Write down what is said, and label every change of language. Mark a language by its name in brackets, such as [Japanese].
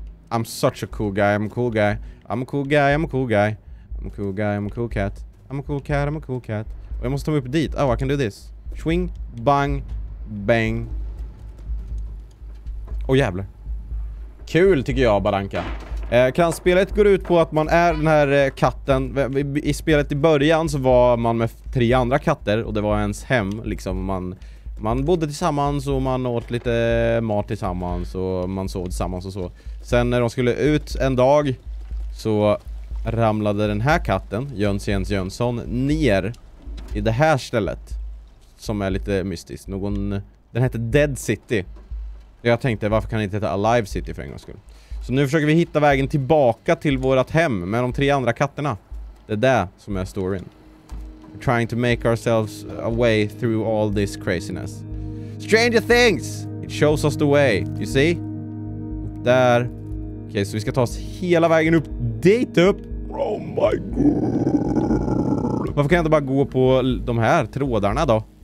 [English] I'm such a cool guy, I'm a cool guy. I'm a cool guy, I'm a cool guy. I'm a cool guy, I'm a cool cat. I'm a cool cat, I'm a cool cat. [Swedish] Och jag måste ta mig upp dit. [English] Oh, I can do this. Swing, bang, bang. [Swedish] Åh, jävlar. Kul tycker jag, Badanka. Kan spelet gå ut på att man är den här katten? I spelet i början så var man med tre andra katter och det var ens hem liksom. Man bodde tillsammans och man åt lite mat tillsammans och man sov tillsammans och så. Sen när de skulle ut en dag så ramlade den här katten, Jöns Jens Jönsson, ner i det här stället som är lite mystiskt. Den heter Dead City. Jag tänkte, varför kan det inte heta Alive City för en gångs skull? Så nu försöker vi hitta vägen tillbaka till vårt hem med de tre andra katterna. Det är det som är storyn. [English] trying to make ourselves a way through all this craziness. Stranger Things! It shows us the way, you see? Där. [Swedish] Okej, så vi ska ta oss hela vägen upp dit upp. [English] Oh my god. [Swedish] Varför kan jag inte bara gå på de här trådarna då?